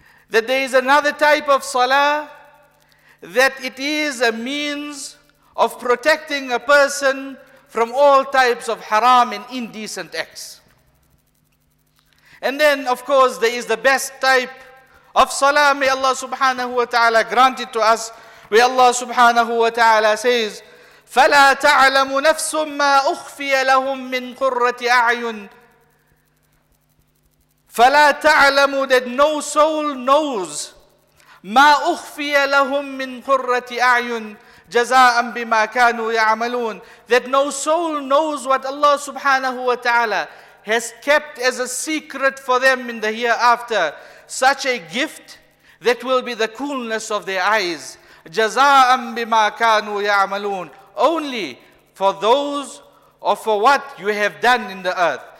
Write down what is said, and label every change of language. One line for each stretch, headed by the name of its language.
English: That there is another type of salah, that it is a means of protecting a person from all types of haram and indecent acts. And then, of course, there is the best type of salah. May Allah subhanahu wa ta'ala grant it to us. Where Allah subhanahu wa ta'ala says,
Arabic: فَلَا تَعْلَمُ نَفْسٌ مَا أُخْفِيَ لَهُمْ مِنْ قُرَّةِ أَعْيُنٍ. فَلَا تَعْلَمُ,
English: that no soul knows,
Arabic: مَا أُخْفِيَ لَهُمْ مِنْ قُرَّةِ أَعْيُنٍ جَزَاءً بِمَا كَانُوا يَعْمَلُونَ.
English: That no soul knows what Allah subhanahu wa ta'ala has kept as a secret for them in the hereafter, such a gift that will be the coolness of their eyes.
Arabic: جَزَاءً بِمَا كَانُوا يَعْمَلُونَ.
English: Only for those or for what you have done in the earth.